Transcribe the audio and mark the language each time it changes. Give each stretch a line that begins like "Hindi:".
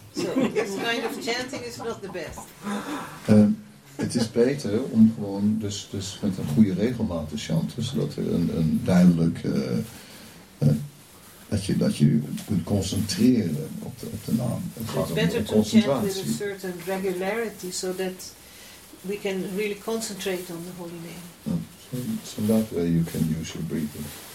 English: So, this kind of chanting is not the best.
Dutch: Het is beter om gewoon dus met een goede regelmaat te chanten, zodat er een duidelijk Dat je kunt concentreren op de naam. Het gaat om de concentratie.
English: It's better to chant with a certain regularity so that we can really concentrate on the holy name. So that way you can use your breathing.